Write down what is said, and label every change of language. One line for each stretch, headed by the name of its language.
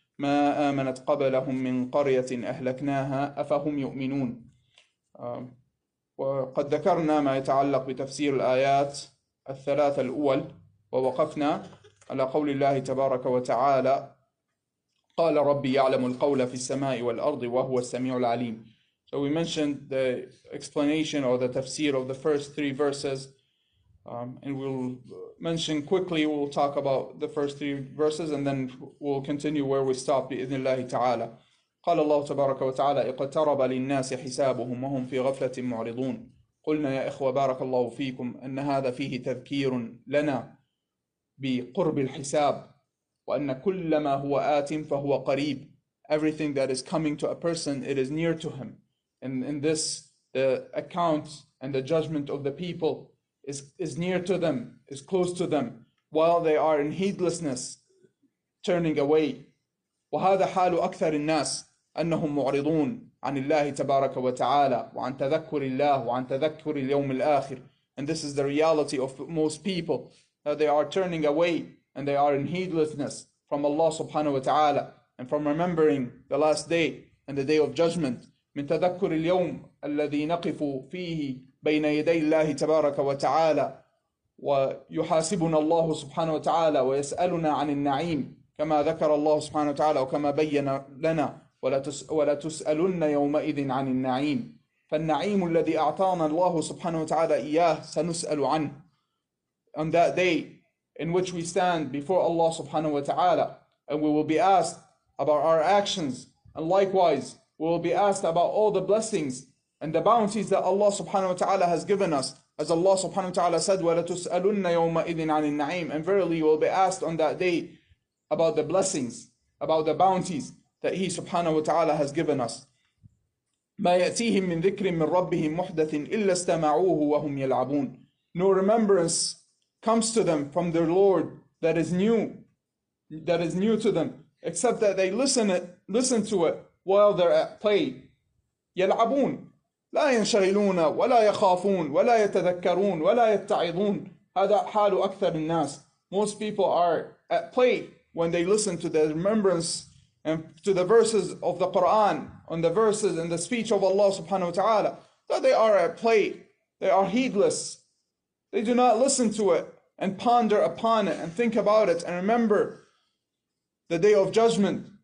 Arabic: ما آمنت قبلهم من قرية أهلكناها أفهم يؤمنون. وقد ذكرنا ما يتعلق بتفسير الآيات الثلاث الأول، ووقفنا على قول الله تبارك وتعالى: قال ربي يعلم القول في السماء والأرض وهو السميع العليم.
English: So we mentioned the explanation or the tafsir of the first three verses, and we'll mention quickly, we'll talk about the first three verses and then we'll continue where we stopped
Arabic: بإذن الله تعالى. قال الله تبارك وتعالى: اقترب للناس حسابهم وهم في غفلة معرضون. قلنا يا إخوة بارك الله فيكم أن هذا فيه تذكير لنا بقرب الحساب، وأن كل ما هو آت فهو قريب.
English: Everything that is coming to a person, it is near to him. And in this, the account and the judgment of the people is near to them, is close to them, while they are in heedlessness, turning away.
Arabic: وهذا حال أكثر الناس أنهم معرضون عن الله تبارك وتعالى وعن تذكر الله وعن تذكر اليوم الآخر.
English: And this is the reality of most people, that they are turning away and they are in heedlessness from Allah subhanahu wa ta'ala and from remembering the last day and the day of judgment.
Arabic: من تذكر اليوم الذي نقف فيه بين يدي الله تبارك وتعالى ويحاسبنا الله سبحانه وتعالى ويسألنا عن النعيم كما ذكر الله سبحانه وتعالى وكما بين لنا ولا تسألن يومئذ عن النعيم. فالنعيم الذي أعطانا الله سبحانه وتعالى إياه سنسأل عنه.
English: On that day in which we stand before Allah سبحانه وتعالى and we will be asked about our actions, and likewise we will be asked about all the blessings and the bounties that Allah subhanahu wa ta'ala has given us. As Allah subhanahu wa ta'ala said,
Arabic: وَلَتُسْأَلُنَّ يَوْمَئِذٍ عَنِ النَّعِيمِ.
English: And verily we will be asked on that day about the blessings, about the bounties that He subhanahu wa ta'ala has given us.
Arabic: مَا يَأْتِيهِمْ مِنْ ذِكْرٍ مِنْ رَبِّهِمْ مُحْدَثٍ إِلَّا اسْتَمَعُوهُ وَهُمْ يَلْعَبُونَ.
English: No remembrance comes to them from their Lord that is new to them, except that they listen to it. While they're at play,
Arabic: يلعبون لا ينشغلون ولا يخافون ولا يتذكرون ولا يتعظون. هذا حال أكثر الناس.
English: Most people are at play when they listen to the remembrance and to the verses of the Quran and the verses and the speech of Allah subhanahu wa ta'ala. So they are at play. They are heedless. They do not listen to it and ponder upon it and think about it and remember the day of judgment.